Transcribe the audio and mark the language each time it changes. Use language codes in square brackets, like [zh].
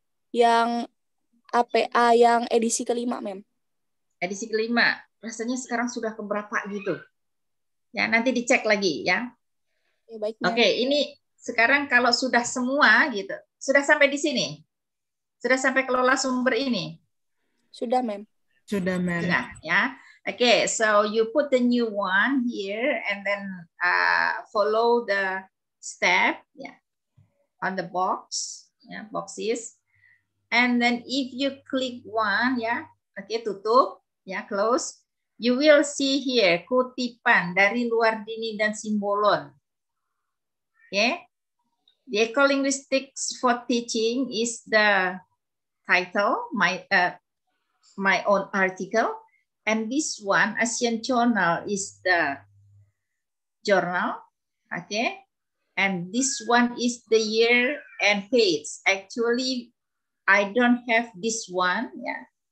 [id] Yang APA yang edisi kelima mem. Edisi kelima. Rasanya sekarang sudah keberapa gitu? Ya nanti dicek lagi ya. Ya baik. Oke ini sekarang kalau sudah semua gitu. Sudah sampai di sini? Sudah sampai kelola sumber ini? Sudah, ma'am. Sudah, ma'am. Sudah, ya. [en] Okay, so you put the new one here and then follow the step, yeah, on the box, yeah, boxes. And then if you click one, yeah, okay, tutup, yeah, close. You will see here [id] kutipan dari luar dini dan simbolon. [en] Okay? The Ecolinguistics for Teaching is the title, my own article. And this one, ASEAN Journal, is the journal. Okay. And this one is the year and page. Actually, I don't have this one. Yeah.